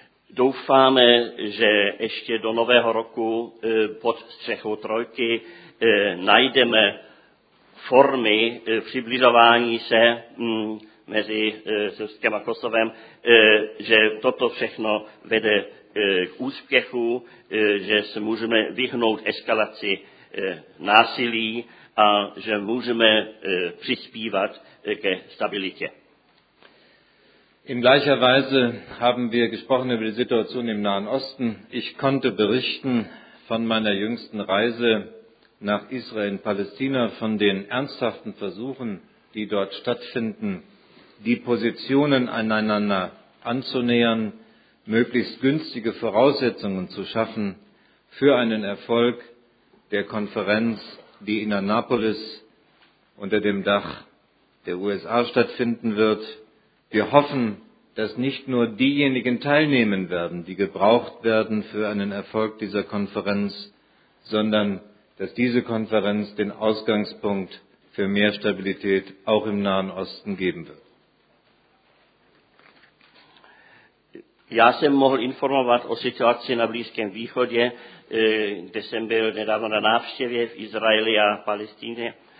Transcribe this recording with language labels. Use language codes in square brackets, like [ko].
[cs] Doufáme, že ještě do nového roku pod střechou trojky najdeme formy přibližování se mezi Srbskem a Kosovem, že toto všechno vede k úspěchu, že se můžeme vyhnout eskalaci násilí a že můžeme přispívat ke stabilitě. [de] In gleicher Weise haben wir gesprochen über die Situation im Nahen Osten. Ich konnte berichten von meiner jüngsten Reise nach Israel und Palästina, von den ernsthaften Versuchen, die dort stattfinden, die Positionen aneinander anzunähern, möglichst günstige Voraussetzungen zu schaffen für einen Erfolg der Konferenz, die in Annapolis unter dem Dach der USA stattfinden wird. Wir hoffen, dass nicht nur diejenigen teilnehmen werden, die gebraucht werden für einen Erfolg dieser Konferenz, sondern dass diese Konferenz den Ausgangspunkt für mehr Stabilität auch im Nahen Osten geben wird. [cs] Já jsem mohl informovat o situaci na Blízkém východě, kde jsem byl nedávno na návštěvě v Izraeli a Palestíně.